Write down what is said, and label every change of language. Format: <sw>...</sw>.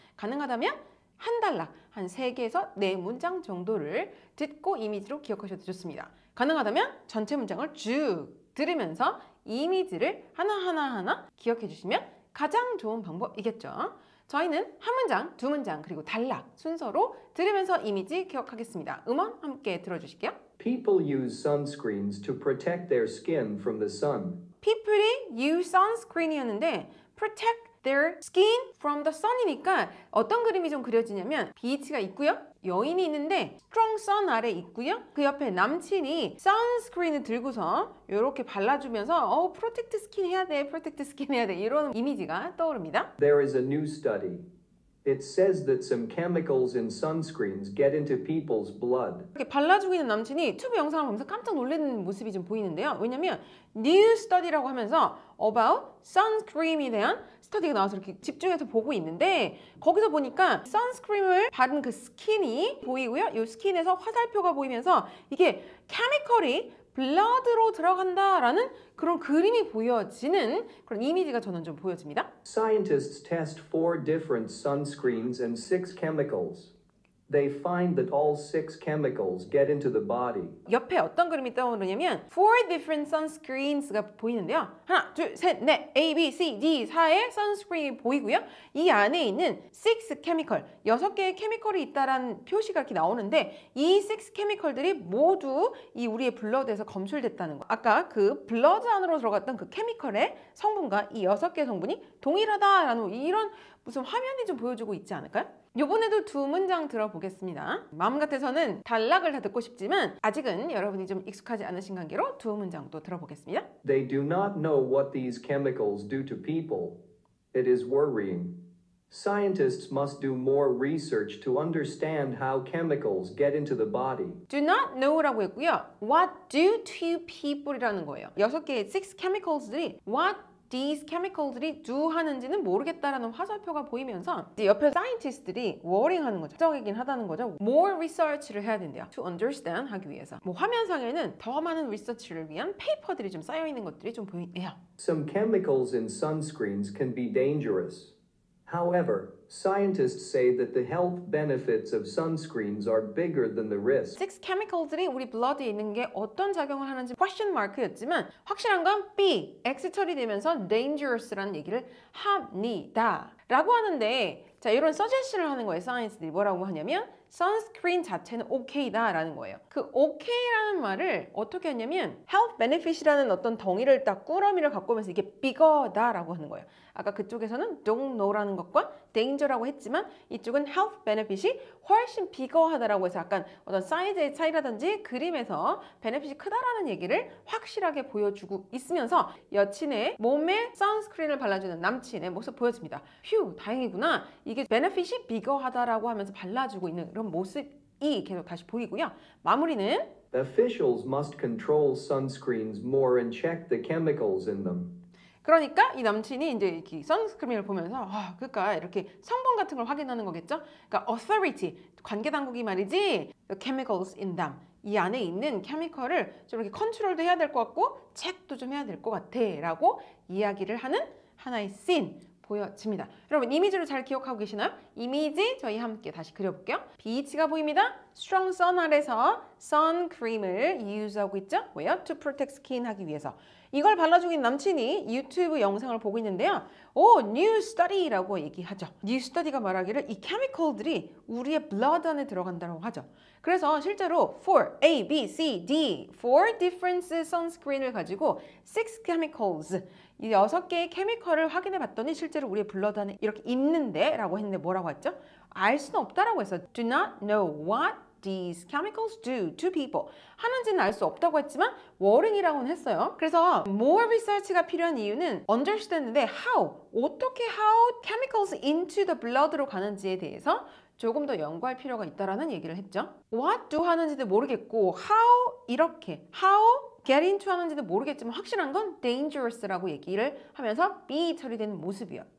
<ko>가능하다면 한 단락, 한 세 개에서 네 문장 정도를 듣고 이미지로 기억하셔도 좋습니다. 가능하다면 전체 문장을 쭉 들으면서 이미지를 하나하나하나 기억해 주시면 가장 좋은 방법이겠죠. 저희는 한 문장, 두 문장, 그리고 단락 순서로 들으면서 이미지 기억하겠습니다. 음원 함께 들어주실게요.</ko> <en>People use sunscreens to protect their skin from the sun. People이 use sunscreen이었는데 protect their skin from the sun이니까</en> <ko>어떤 그림이 좀 그려지냐면 비치가 있고요. 여인이 있는데 strong sun 아래 있고요. 그 옆에 남친이 sunscreen을 들고서 이렇게 발라주면서 protect skin 해야 돼, protect skin 해야 돼 이런 이미지가 떠오릅니다.</ko> <en>There is a new study. It says that some chemicals in sunscreens get into people's blood.</en> <ko>이렇게 발라주고 있는 남친이 튜브 영상을 보면서 깜짝 놀라는 모습이 좀 보이는데요. 왜냐면 new study라고 하면서 about sunscreen에 대한 스터디가 나와서 이렇게 집중해서 보고 있는데 거기서 보니까 sunscreen을 바른 그 스킨이 보이고요. 이 스킨에서 화살표가 보이면서 이게 chemical이 blood로 들어간다라는 그런 그림이 보여지는 그런 이미지가 저는 좀 보여집니다.</ko> <en>Scientists test 4 different sunscreens and 6 chemicals. They find that all 6 chemicals get into the body.</en> <ko>옆에 어떤 그림이 떠오르냐면 4 different sunscreens가 보이는데요. 하나, 둘, 셋, 넷, A, B, C, D, 4의 sunscreen이 보이고요. 이 안에 있는 6 chemical, 6개의 chemical이 있다라는 표시가 이렇게 나오는데 이 6 chemical들이 모두 이 우리의 blood에서 검출됐다는 거. 아까 그 blood 안으로 들어갔던 그 chemical의 성분과 이 6개의 성분이 동일하다라는 이런 무슨 화면이 좀 보여주고 있지 않을까요? 요번에도 두 문장 들어보겠습니다. 마음 같아서는 단락을 다 듣고 싶지만 아직은 여러분이 좀 익숙하지 않으신 관계로 두 문장도 들어보겠습니다.</ko> <en>They do not know what these chemicals do to people. It is worrying. Scientists must do more research to understand how chemicals get into the body. Do not know라고 했고요. What do to people이라는 거예요.</en> <ko>여섯 개의 six chemicals들이 what these chemicals들이 do 하는지는 모르겠다라는 화살표가 보이면서 이제 옆에 scientists들이 worrying 하는 거죠. 걱정이긴 하다는 거죠. More research를 해야 된대요. To understand 하기 위해서. 뭐 화면상에는 더 많은 research를 위한 paper들이 좀 쌓여있는 것들이 좀 보이네요.</ko> <en>Some chemicals in sunscreens can be dangerous. However, scientists say that the health benefits of sunscreens are bigger than the risk.</en> <ko>Six chemicals들이 우리 blood에 있는 게 어떤 작용을 하는지 question mark였지만 확실한 건 B, X철이 되면서 dangerous라는 얘기를 합니다. 라고 하는데 자 이런 suggestion을 하는 거예요. 사이언스들이 뭐라고 하냐면 sunscreen 자체는 OK다 라는 거예요. 그 OK라는 말을 어떻게 하냐면 health benefit이라는 어떤 덩이를 딱 꾸러미를 갖고 오면서 이게 bigger다 라고 하는 거예요. 아까 그쪽에서는 don't know라는 것과 danger라고 했지만 이쪽은 health benefit이 훨씬 bigger하다라고 해서 약간 어떤 사이즈의 차이라든지 그림에서 benefit이 크다라는 얘기를 확실하게 보여주고 있으면서 여친의 몸에 sunscreen을 발라주는 남친의 모습 보여집니다. 휴 다행이구나. 이게 benefit이 bigger하다라고 하면서 발라주고 있는 그런 모습이 계속 다시 보이고요. 마무리는</ko> <en>Officials must control sunscreens more and check the chemicals in them.</en> <ko>그러니까 이 남친이 이제 이렇게 선스크림을 보면서 아, 그러니까 이렇게 성분 같은 걸 확인하는 거겠죠? 그러니까 authority, 관계 당국이 말이지</ko> <en>the chemicals in them,</en> <ko>이 안에 있는 케미컬을 좀 이렇게 컨트롤도 해야 될 것 같고 체크도 좀 해야 될 것 같아 라고 이야기를 하는 하나의 씬 보여집니다. 여러분 이미지를 잘 기억하고 계시나요? 이미지 저희 함께 다시 그려볼게요. 비치가 보입니다. Strong sun 아래서 선크림을 use하고 있죠? 왜요? To protect skin 하기 위해서. 이걸 발라주고 있는 남친이 유튜브 영상을 보고 있는데요. 오, new study라고 얘기하죠. New study가 말하기를 이 chemical들이 우리의 blood 안에 들어간다고 하죠. 그래서 실제로 4, A, B, C, D, 4 different sunscreen을 가지고 6 chemicals, 이 6개의 chemical을 확인해 봤더니 실제로 우리의 blood 안에 이렇게 있는데 라고 했는데 뭐라고 했죠? 알 수는 없다라고 해서</ko> <en>Do not know what these chemicals do to people?</en> <ko>하는지는 알 수 없다고 했지만 worrying이라고는 했어요. 그래서 more research가 필요한 이유는 understand인데 how, 어떻게</ko> <en>how chemicals into the blood</en> <ko>로 가는지에 대해서 조금 더 연구할 필요가 있다라는 얘기를 했죠. What do 하는지도 모르겠고 how 이렇게 how get into 하는지도 모르겠지만 확실한 건 dangerous라고 얘기를 하면서 be 처리되는 모습이요.</ko>